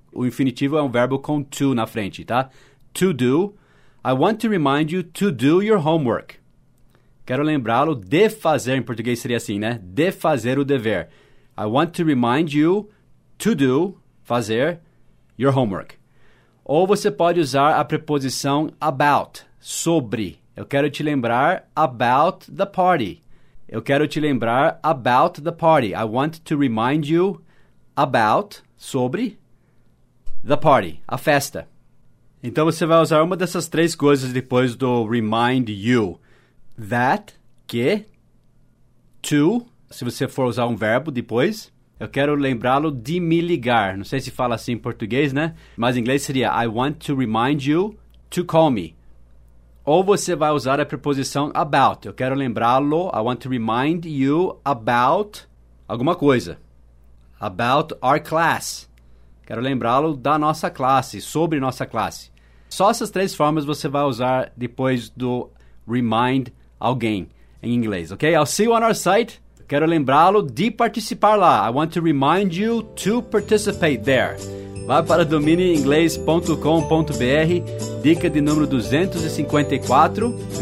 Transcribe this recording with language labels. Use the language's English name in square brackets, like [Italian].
[Portuguese] O infinitivo é um verbo com to na frente, tá? [English] To do, I want to remind you to do your homework. [Portuguese] Quero lembrá-lo de fazer, em português seria assim, né? De fazer o dever. [English] I want to remind you to do, fazer, your homework. [Portuguese] Ou você pode usar a preposição about, sobre. Eu quero te lembrar [English] about the party. [Portuguese] Eu quero te lembrar about the party. [English] I want to remind you about, sobre, the party, [Portuguese] a festa. Então você vai usar uma dessas três coisas depois do remind you. [English] That, que, to. [Portuguese] Se você for usar um verbo depois, eu quero lembrá-lo de me ligar. Não sei se fala assim em português, né? Mas em inglês seria, [English] I want to remind you to call me. [Portuguese] Ou você vai usar a preposição about. Eu quero lembrá-lo, [English] I want to remind you about [Portuguese] alguma coisa. [English] About our class. [Portuguese] Quero lembrá-lo da nossa classe, sobre nossa classe. Só essas três formas você vai usar depois do remind alguém em inglês, ok? [English] I'll see you on our site. [Portuguese] Quero lembrá-lo de participar lá. [English] I want to remind you to participate there. [Portuguese] Vá para dominioinglês.com.br, dica de número 254.